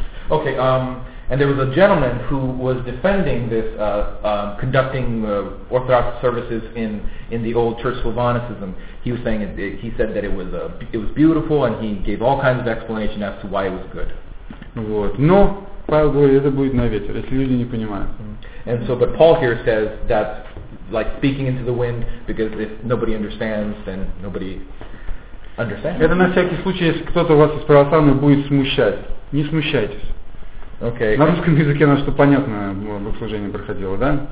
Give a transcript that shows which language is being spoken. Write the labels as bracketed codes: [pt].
[en] Okay, and there was a gentleman who was defending this, conducting Orthodox services in the old Church Slavonicism. He was saying, he said that it was beautiful, and he gave all kinds of explanation as to why it was good. [ru] Вот, но Павел говорит, это будет на ветер, если люди не понимают. [en] And so, but Paul here says that, like speaking into the wind, because if nobody understands, then nobody understands. [ru] Это на всякий случай, если кто-то у вас из православных будет смущать. Не смущайтесь. [en] Okay. [ru] На русском языке оно, чтобы понятно, богослужение проходило, да?